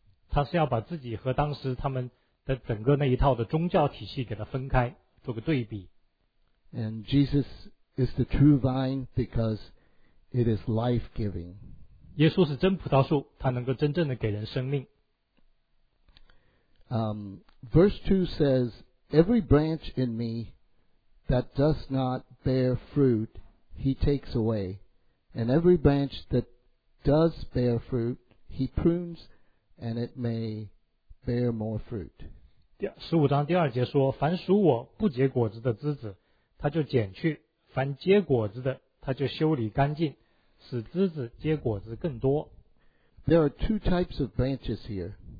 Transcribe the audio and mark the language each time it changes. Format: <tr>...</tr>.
<zh>他是要把自己和当时他们的整个那一套的宗教体系给它分开，做个对比。</zh> <en>And Jesus is the true vine because it is life-giving.</en> <zh>耶稣是真葡萄树，他能够真正的给人生命。</zh> <en>Verse 2 says, Every branch in me that does not bear fruit, he takes away. And every branch that does bear fruit, he prunes, and it may bear more fruit.</en> <zh>十五章第二节说，凡属我不结果子的枝子，他就剪去；凡结果子的，他就修理干净，使枝子结果子更多。</zh> <en>There are two types of branches here.</en>